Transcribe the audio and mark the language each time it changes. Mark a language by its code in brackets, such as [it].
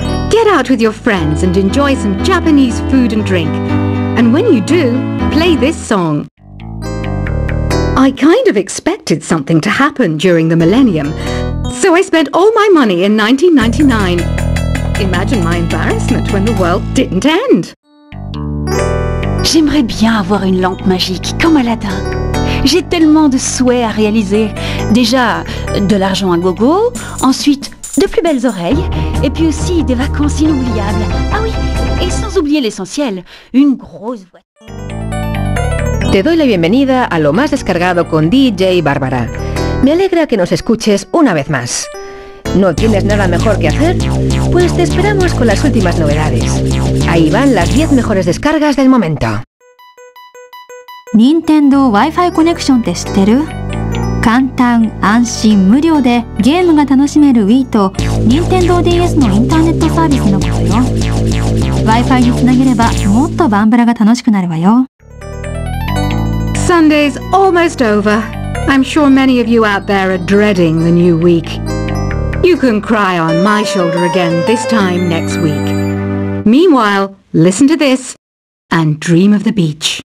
[en] Get out with your friends and enjoy some Japanese food and drink. And when you do, play this song. I kind of expected something to happen during the millennium, so I spent all my money in 1999. Imagine my embarrassment when the world didn't end. [fr] J'aimerais bien avoir une lampe magique comme Aladdin. J'ai tellement de souhaits à réaliser. Déjà, de l'argent à gogo, ensuite, de plus belles oreilles, et puis aussi des vacances inoubliables. Ah oui, et sans oublier l'essentiel, une grosse voiture. [es] Te doy la bienvenida a lo más descargado con DJ Bárbara. Me alegra que nos escuches una vez más. ¿No tienes nada mejor que hacer? Pues te esperamos con las últimas novedades. Ahí van las 10 mejores descargas del momento. [ja] 任天堂 Wi-Fi コネクションって知ってる？簡単、安心、無料でゲームが楽しめる Wii と任天堂 DS のインターネットサービスのことよ。 Wi-Fi につなげればもっとバンブラが楽しくなるわよ。 [en] Sunday's almost over. I'm sure many of you out there are dreading the new week. You can cry on my shoulder again this time next week. Meanwhile, listen to this and dream of the beach.